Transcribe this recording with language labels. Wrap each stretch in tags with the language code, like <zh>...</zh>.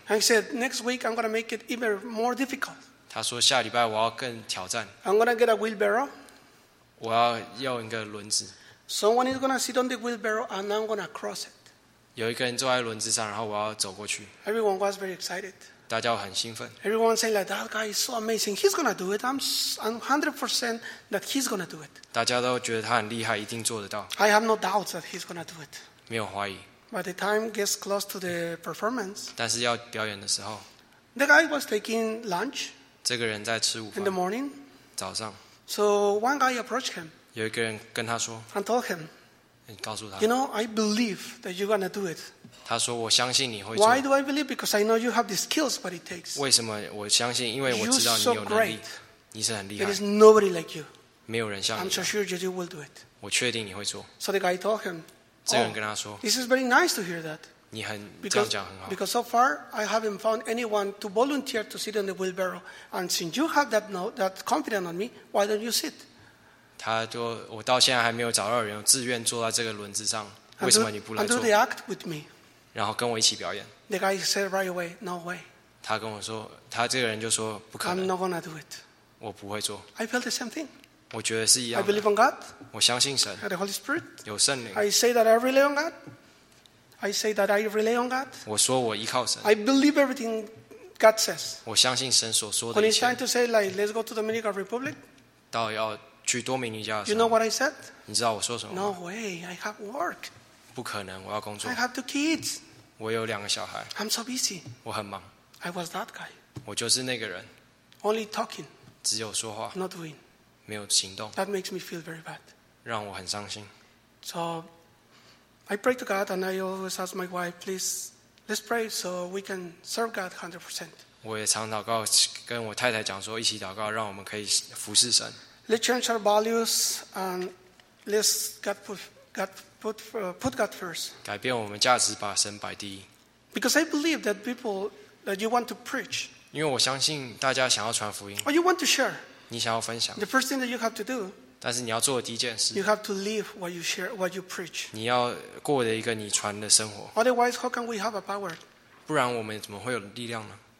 <en>And he said Next week I'm going to make it even more difficult</en> <zh>他说下礼拜我要更挑战</zh> <en>I'm going to get a wheelbarrow</en> <zh>我要用一个轮子</zh> <en>Someone is going to sit on the wheelbarrow And I'm going to cross it</en> <zh>有一个人坐在轮子上然后我要走过去</zh> <en>Everyone was very excited</en> <zh>大家很兴奋</zh> <en>Everyone said like, That guy is so amazing He's going to do it I'm 100% that he's going to do it</en> <zh>大家都觉得他很厉害，一定做得到。</zh> <en>I have no doubts that he's gonna do it.</en> <zh>没有怀疑。</zh> <en>By the time gets close to the performance,</en> <zh>但是要表演的时候</zh> <en>，the guy was taking lunch.</en> <zh>这个人在吃午饭。</zh> <en>In the morning,</en> <zh>早上。</zh> <en>So one guy approached him.</en> <zh>有一个人跟他说</zh> <en>，and told him,</en> <zh>告诉他。</zh> <en>You know, I believe that you're gonna do it.</en> <zh>他说我相信你会做。</zh> <en>Why do I believe? Because I know you have the skills, what it takes.</en> <zh>为什么我相信？因为我知道你有能力。</zh> <en>You're so great.</en> <zh>你是很厉害。</zh> <en>There is nobody like you.</en> <zh>没有人像你。</zh> <en>I'm so sure that you will do it.</en> <zh>我确定你会做。</zh> <en>So the guy told him.</en> <zh>这个人跟他说。</zh> <en>This is very nice to hear that.</en> <zh>你很这样讲很好。</zh> <en>Because so far I haven't found anyone to volunteer to sit in the wheelbarrow, and since you have that confidence on me, why don't you sit?</en> <zh>他就我到现在还没有找到人自愿坐在这个轮子上，为什么你不来做</zh> <en>and do the act with me.</en> <zh>然后跟我一起表演。</zh> <en>The guy said right away, no way.</en> <zh>他跟我说，他这个人就说不可能。</zh> <en>I'm not gonna do it.</en> <zh>我不会做。</zh> <en>I felt the same thing.</en> <zh>我觉得是一样的。</zh> <en>I believe in God.</en> <zh>我相信神。</zh> <en>The Holy Spirit.</en> <zh>有圣灵。</zh> <en>I say that I rely on God. I say that I rely on God.</en> <zh>我说我依靠神。</zh> <en>I believe everything God says.</en> <zh>我相信神所说的一切。</zh> <en>When it's time to say like, let's go to the Dominican Republic.</en> <zh>到要去多米尼加的时候</zh> <en>you know what I said?</en> <zh>你知道我说什么</zh> <en>No way, I have work.</en> <zh>不可能，我要工作。</zh> <en>I have two kids.</en> <zh>我有两个小孩。</zh> <en>I'm so busy.</en> <zh>我很忙。</zh> <en>I was that guy.</en> <zh>我就是那个人。</zh> <en>Only talking.</en> <zh>只有说话。</zh> <en>Not doing.</en> <zh>没有行动。</zh> <en>That makes me feel very bad.</en> <zh>让我很伤心。</zh> <en>So, I pray to God and I always ask my wife, please, let's pray so we can serve God 100%.</en> <zh>我也常祷告，跟我太太讲说，一起祷告，让我们可以服侍神。</zh> <en>Let's change our values and let's put God first.</en> <zh>改变我们价值，把神摆第一。</zh> <en>Because I believe that people that you want to preach.</en> <zh>因为我相信大家想要传福音。</zh> <en>Or you want to share.</en> <zh>你想要分享。</zh> <en>The first thing that you have to do.</en> <zh>但是你要做的第一件事。</zh> <en>You have to live what you share, what you preach.</en> <zh>你要过的一个你传的生活。</zh> <en>Otherwise, how can we have a power?</en> <zh>不然我们怎么会有力量呢</zh>